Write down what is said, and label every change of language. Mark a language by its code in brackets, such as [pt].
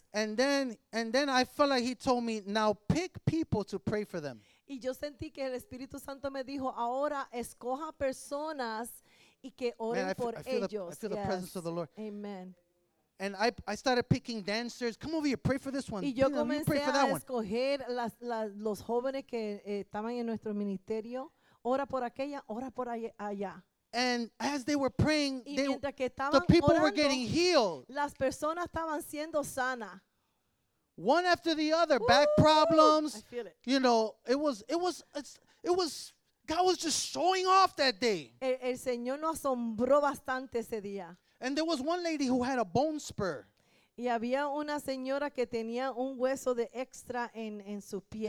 [en] And then I felt like he told me, now pick people to pray for them. [es] Y yo sentí que el Espíritu Santo me dijo, ahora escoja personas y que oren por ellos. [en] I feel the presence of the Lord. Amen. And I started picking dancers. Come over here, pray for this one. [es] Y yo comencé [en] pray for [es] a escoger los jóvenes que estaban en nuestro ministerio. Ora por aquella, ora por allá. [en] And as they were praying, the people [es] orando, [en] were getting healed. [es] Las personas estaban siendo sana. [en] One after the other, woo! Back problems. I feel it. You know, it was God was just showing off that day. [es] El Señor nos asombró bastante ese día. [en] And there was one lady who had a bone spur. [es] Y había una señora que tenía un hueso de extra en su pie.